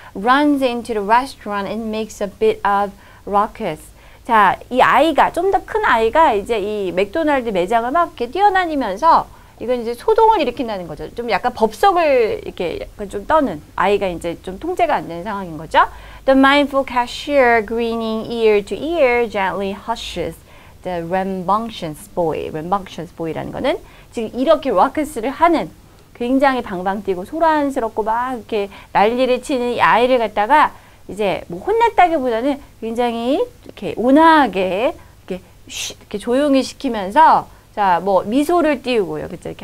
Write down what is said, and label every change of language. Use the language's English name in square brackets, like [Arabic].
[English] Runs into the restaurant and makes a bit of ruckus. [Korean] 자, 이 아이가, 좀 더 큰 아이가 이제 이 맥도날드 매장을 막 이렇게 뛰어다니면서 이건 이제 소동을 일으킨다는 거죠. 좀 약간 법석을 이렇게 좀 떠는 아이가 이제 좀 통제가 안 되는 상황인 거죠. [English] The mindful cashier grinning ear to ear gently hushes the rambunctious boy. [Korean] Rambunctious boy라는 거는 지금 이렇게 ruckus를 하는 굉장히 방방 뛰고 소란스럽고 막 이렇게 난리를 치는 이 아이를 갖다가 이제 뭐 혼냈다기보다는 굉장히 이렇게 온화하게 이렇게 이렇게 조용히 시키면서 자 뭐 미소를 띄우고요, 그죠?